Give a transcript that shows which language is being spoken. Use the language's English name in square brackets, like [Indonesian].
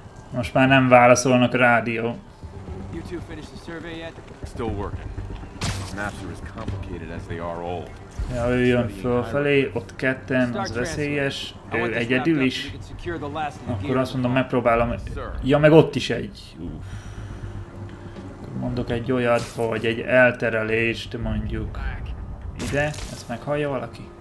[Hungarian] Most már nem válaszolnak a rádió. [English] You two finish the survey yet? Still working. Maps are as complicated as they are old. [Hungarian] Ja, ő jön fölfelé, ott ketten, az veszélyes, ő egyedül is. Akkor azt mondom, megpróbálom. Ja, meg ott is egy. Mondok egy olyat, hogy egy elterelést mondjuk ide, ezt meghallja valaki?